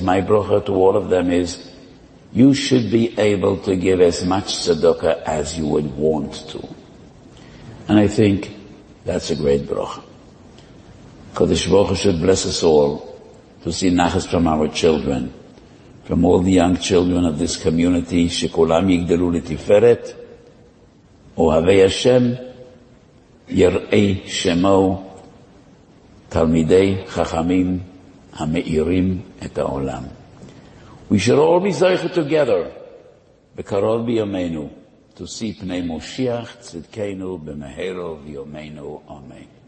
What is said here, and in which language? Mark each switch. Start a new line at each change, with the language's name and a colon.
English: My bracha to all of them is, you should be able to give as much tzedakah as you would want to. And I think that's a great bracha. Kodesh Baruch Hu should bless us all to see nachas from our children, from all the young children of this community,
Hebrew: שכולם יגדלו לתפארת, אוהבי השם, יראי שמו, תלמידי חכמים המאירים את העולם.
English: We shall all be zeichet together,
Hebrew: בקרוב בימינו,
English: to see
Hebrew: פני מושיח צדקנו במהרו ויומנו, אמן.